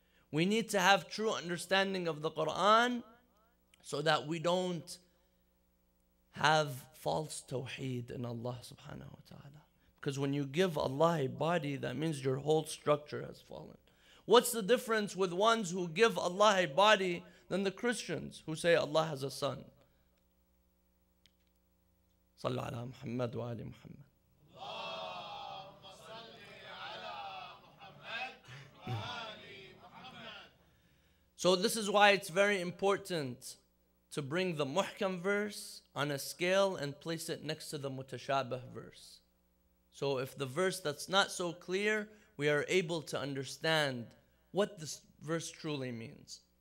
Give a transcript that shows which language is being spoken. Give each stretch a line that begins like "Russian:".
English: We need to have true understanding of the Quran so that we don't have false tawheed in Allah subhanahu wa ta'ala. Because when you give Allah a body, that means your whole structure has fallen. What's the difference with ones who give Allah a body than the Christians who say Allah has a son?
Arabic: صلى على محمد وآل محمد اللهم صل على محمد وآل محمد
English: So this is why it's very important to bring the muhkam verse on a scale and place it next to the mutashabah verse. So if the verse that's not so clear, we are able to understand what this verse truly means.